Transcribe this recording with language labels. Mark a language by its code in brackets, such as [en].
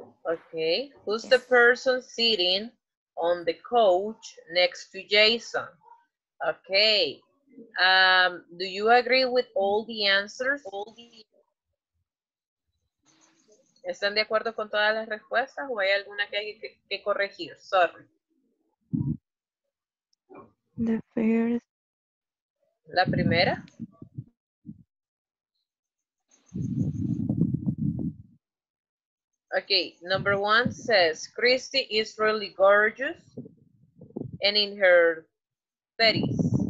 [en] okay who's the person sitting on the couch next to Jason okay do you agree with all the answers all the... [es] ¿Están de acuerdo con todas las respuestas o hay alguna que hay que corregir sorry [en] the first [es] la primera [en] okay number one says Christy is really gorgeous and in her 30s